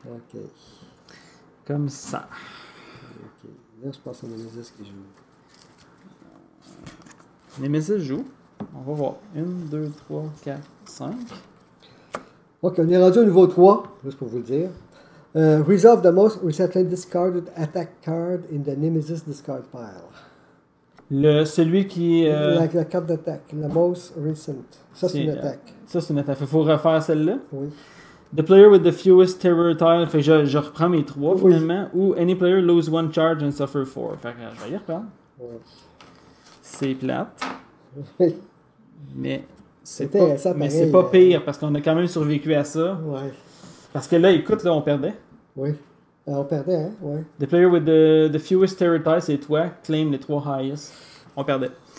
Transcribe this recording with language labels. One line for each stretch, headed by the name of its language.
French: Ok. Comme ça. Ok. Là, je passe à Nemesis qui joue. Nemesis joue. On va voir. 1, 2, 3, 4, 5. Ok, on est rendu au niveau 3, juste pour vous le dire.
English: Resolve the most recently discarded attack card in the Nemesis discard pile.
French: Le, celui qui... La carte d'attaque,
English: the most recent.
French: Ça, c'est une attaque. Ça, c'est une attaque. Il faut refaire celle-là. Oui.
English: The player with the fewest terror tile,
French: fait que je reprends mes trois finalement.
English: Ou any player lose one charge and suffer four.
French: Fait que je vais y reprendre. Ouais. C'est plate. Mais c'est pas, pareil, mais c'est pas pire parce qu'on a quand même survécu à ça. Ouais. Parce que là, écoute, là, on perdait. Oui. On perdait, hein? Oui.
English: The player with the fewest terror ties,
French: c'est toi,
English: claim
French: les trois
English: highest.
French: On perdait.